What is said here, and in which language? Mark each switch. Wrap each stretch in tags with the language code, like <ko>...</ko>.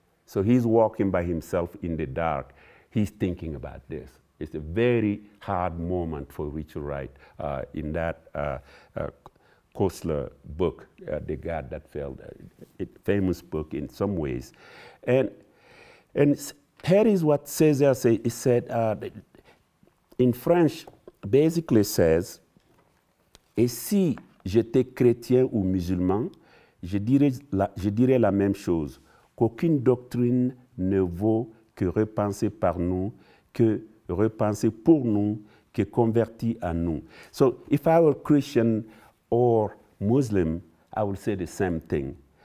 <en>So he's walking by himself in the dark. He's thinking about this. It's a very hard moment for Richard Wright in that Kossler book, The God That Failed, a famous book in some ways. And here is what Césaire said. He said, in French, basically says,</en> <fr>et si j'étais chrétien ou musulman, je dirais la même chose, qu'aucune doctrine ne vaut que repenser par nous, que repenser pour nous, que convertir à nous.</fr> <en>So if I were Christian or Muslim, I would say the same thing.</en>